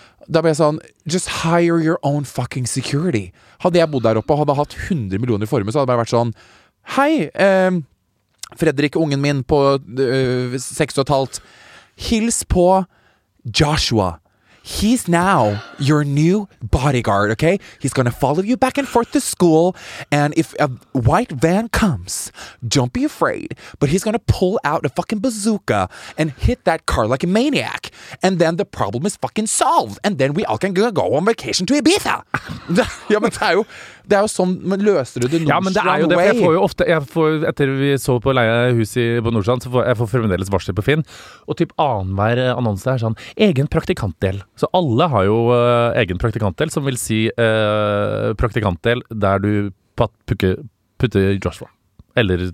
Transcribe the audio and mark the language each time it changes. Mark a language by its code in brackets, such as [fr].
[no] Da ble jeg sånn, [en] just hire your own fucking security. [no] Hadde jeg bodd der oppe og hadde hatt 100 millioner i formue, så hadde jeg vært sånn, hei, Fredrik, ungen min på 6,5, hils på Joshua. [en] He's now your new bodyguard, okay? He's gonna follow you back and forth to school, and if a white van comes, don't be afraid, but he's gonna pull out a fucking bazooka and hit that car like a maniac, and then the problem is fucking solved, and then we all can go on vacation to Ibiza. [no] Ja, men det er jo sånn, løser du det Nordstrand way? Ja, men det er jo det, for jeg får jo ofte, etter vi så på leiehuset på Nordstrand, så får jeg fremdeles varsler på Finn, og typ annenhver annonse er sånn, egen praktikantdel. Så alle har jo egen praktikantdel, som vil si praktikantdel der du putter Joshua. Eller...